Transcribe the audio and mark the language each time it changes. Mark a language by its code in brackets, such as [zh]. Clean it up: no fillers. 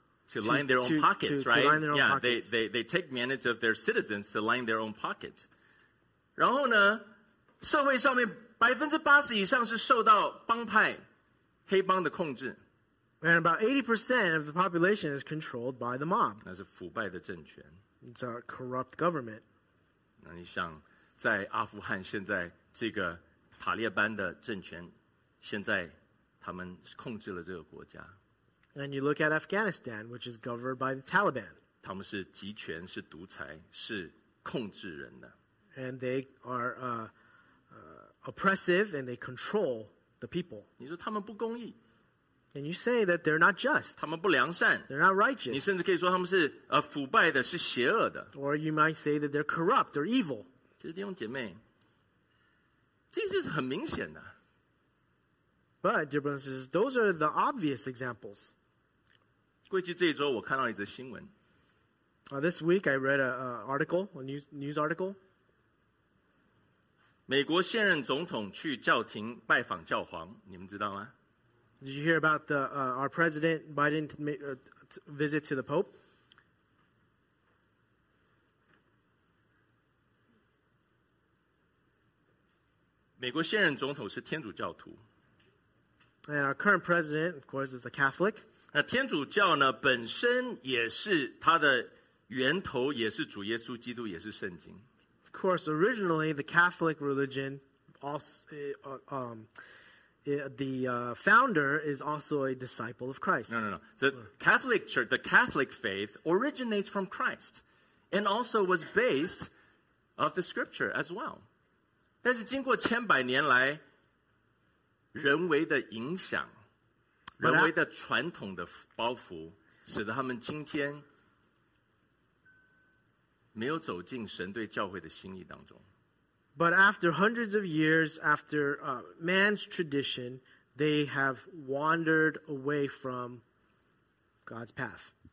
[en] To line their own pockets, right? Yeah, they take advantage of their citizens to line their own pockets. [zh] 然后呢，社会上面80%以上是受到帮派、黑帮的控制。 [en] And about 80% of the population is controlled by the mob. [zh] 那是腐败的政权。 [en] It's a corrupt government. [zh] 那你想，在阿富汗现在这个塔利班的政权，现在他们控制了这个国家。 [en] And you look at Afghanistan, which is governed by the Taliban. [zh] 他们是集权，是独裁，是控制人的。 [en] And they are oppressive, and they control the people. [zh] 你说他们不公义。 [en] And you say that they're not just. [zh] 他们不良善。 [en] They're not righteous. [zh] 你甚至可以说他们是腐败的，是邪恶的。 [en] Or you might say that they're corrupt, they're evil. [zh] 其实弟兄姐妹，这就是很明显的。 [en] But, dear brothers, those are the obvious examples. [zh] 过去这一周我看到一则新闻。 [en] This week I read a news article. [zh] 美国现任总统去教廷拜访教皇，你们知道吗？ [en] Did you hear about our President Biden visit to the Pope? [zh] 美国现任总统是天主教徒。 [en] And our current president, of course, is a Catholic. [zh] 那天主教呢，本身也是它的源头，也是主耶稣基督，也是圣经。 [en] Of course, originally the Catholic religion, also, founder is also a disciple of Christ. No. The Catholic Church, the Catholic faith, originates from Christ, and also was based of the Scripture as well. [zh] 但是经过千百年来。人为的影响，人为的传统的包袱，使得他们今天没有走进神对教会的心意当中。 [en] But after hundreds of years, after man's tradition, they have wandered away from God's path.